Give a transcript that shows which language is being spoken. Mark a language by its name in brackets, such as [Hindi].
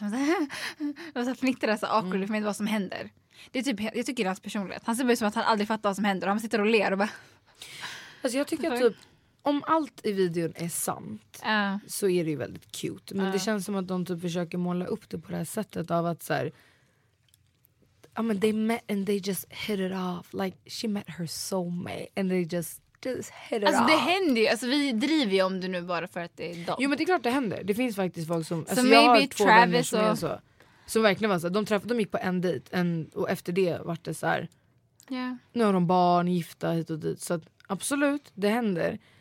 [Swedish] Man är så fnittrar så awkward för mig, vad som händer. Det är typ, jag tycker det är hans personlighet. Han ser bara som att han aldrig fattar vad som händer. Han sitter och ler och bara... Alltså jag tycker att typ, om allt i videon är sant så är det ju väldigt cute. Men det känns som att de typ försöker måla upp det på det här sättet av att så här... [English] I mean, they met and they just hit it off. Like, she met her soulmate and they just... [Swedish] Alltså det händer ju, alltså vi driver ju om det nu bara för att det är dom. Jo, men det är klart det händer. Det finns faktiskt folk som, alltså jag har två Travis vänner som, och... som verkligen var så här, de gick på en dejt och efter det vart det så här. [English] Yeah. [Swedish] Nu har de barn, gifta hit och dit. Så att, absolut, det händer.